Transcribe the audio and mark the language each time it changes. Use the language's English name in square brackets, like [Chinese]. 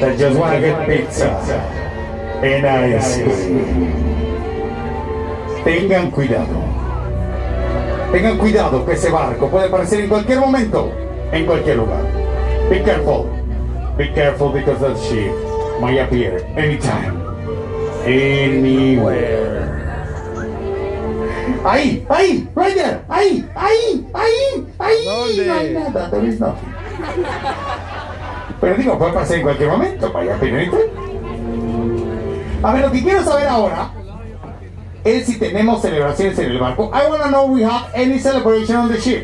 [English] That just want to get pizza and ice cream. [Spanish] Tengan cuidado. Tengan cuidado que ese barco puede aparecer en cualquier momento, en cualquier lugar. [English] Be careful. Be careful because that ship might appear anytime. Anywhere. [Spanish] Ahí, ahí, [English] right there. [Spanish] Ahí, ahí, ahí, ahí. No hay nada. [English] There is nothing. [Spanish] Pero digo, puede pasar en cualquier momento, vaya, primero. A ver, lo que quiero saber ahora es si tenemos celebraciones en el barco. [English] I wanna know if we have any celebration on the ship.